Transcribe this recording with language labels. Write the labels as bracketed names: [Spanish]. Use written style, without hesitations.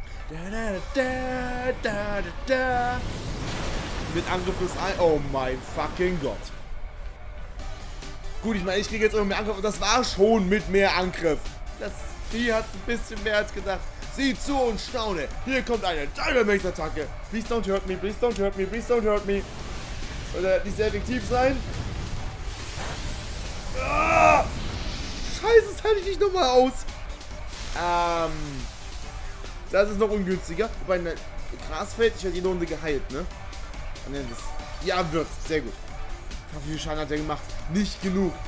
[German] Da-da-da-da-da-da. Mit Angriff des Ei. Oh mein fucking Gott. Gut, ich meine, ich kriege jetzt immer mehr Angriff und das war schon mit mehr Angriff. Das Vieh hat ein bisschen mehr als gedacht. Sieh zu und staune. Hier kommt eine Dynamax-Attacke. [English] Please don't hurt me, please don't hurt me, please don't hurt me. [German] Soll er nicht sehr effektiv sein? Ah! Scheiße, das halte ich nicht nochmal aus. Das ist noch ungünstiger. Wobei, ein Grasfeld, ich hätte die Runde geheilt, ne? Ja, wird's. Sehr gut. Wie viel Schaden hat er gemacht? Nicht genug.